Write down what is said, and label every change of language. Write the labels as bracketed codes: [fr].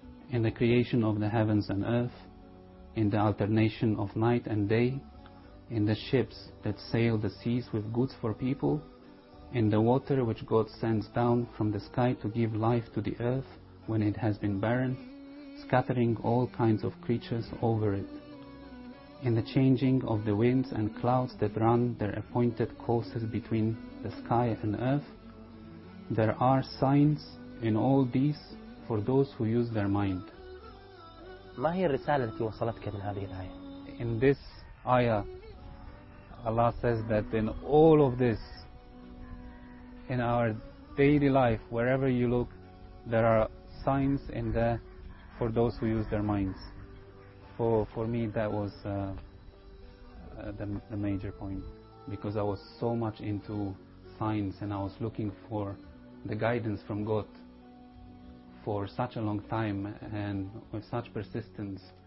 [en] In the creation of the heavens and earth, in the alternation of night and day, in the ships that sail the seas with goods for people, in the water which God sends down from the sky to give life to the earth when it has been barren, scattering all kinds of creatures over it, in the changing of the winds and clouds that run their appointed courses between the sky and earth, there are signs in all these for those who use their mind. [ar] ما هي الرسالة التي وصلتك من هذه الآية؟ [en] In this ayah, Allah says that in all of this, in our daily life, wherever you look, there are signs in there for those who use their minds. For me, that was the major point, because I was so much into signs and I was looking for the guidance from God for such a long time and with such persistence.